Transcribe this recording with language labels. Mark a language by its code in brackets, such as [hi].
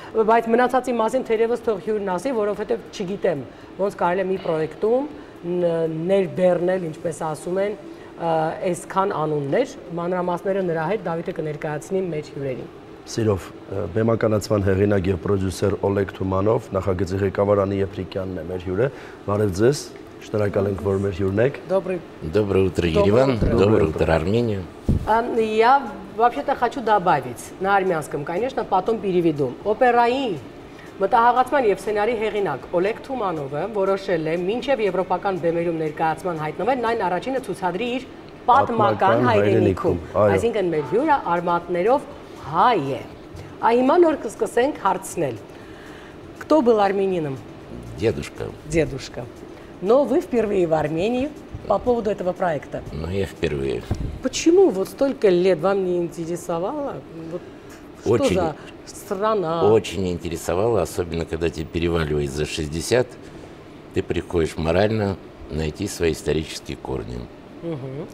[hy] բայց մնացածի մասին թերևս թող հյուրն ասի, որովհետեւ չգիտեմ, ոնց կարելի է մի պրոյեկտում ներբեռնել, ինչպես ասում են, այսքան անուններ, մանրամասները նրա հետ Դավիթը կներկայացնի մեր հյուրերին։ Սիրով, բեմականացման հեղինակ եւ պրոդյուսեր Օլեգ Թումանով, նախագծի ղեկավար Անի Եփրիկյանն է մեր հյուրը։ Բարև ձեզ, շնորհակալ ենք, որ մեր հյուրն եք։ [ru] Доброе утро, Ереван. Доброе утро, Армения. Я вообще-то хочу добавить на армянском, конечно, потом переведу. [hy] Операй մտահաղացման եւ սցենարի հեղինակ Օլեգ Թումանովը որոշել է մինչեւ եվրոպական բեմերում ներկայացման հայտնվել նայն առաջինը ցուցադրի իր պատմական հայրենիքում, այսինքն մեր հյուրը արմատներով հայ է։ Ա հիմա նոր կսկսենք հարցնել. [ru] Кто был армянином? Дедушка. Дедушка. Но вы впервые в Армении по поводу этого проекта? Ну я впервые. Почему вот столько лет вам не интересовало? Вот что очень, за страна? Очень интересовало, особенно когда тебе переваливает за 60, ты приходишь морально найти свои исторические корни. Угу.